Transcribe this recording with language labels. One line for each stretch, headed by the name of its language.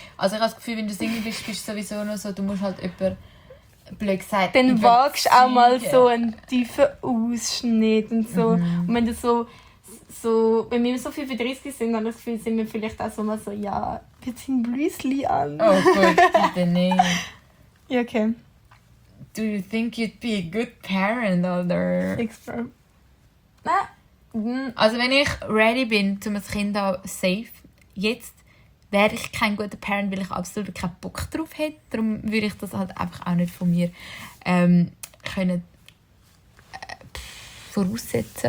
German: Also ich habe das Gefühl, wenn du Single bist, bist du sowieso noch so, du musst halt jemanden blöd gesagt. Dann wagst du auch mal so einen tiefen Ausschnitt und so. Mm. Und wenn du so, wenn wir so viel für 30 sind, dann das Gefühl, sind wir vielleicht auch so mal so, ja, wir ziehen Blüsli an. Oh gut, bitte nicht. Ja, okay.
English: Do you think you'd be a good parent, oder? Thanks, bro.
German: Also wenn ich ready bin, um ein Kind safe, jetzt wäre ich kein guter Parent, weil ich absolut keinen Bock drauf hätte. Darum würde ich das halt einfach auch nicht von mir können voraussetzen.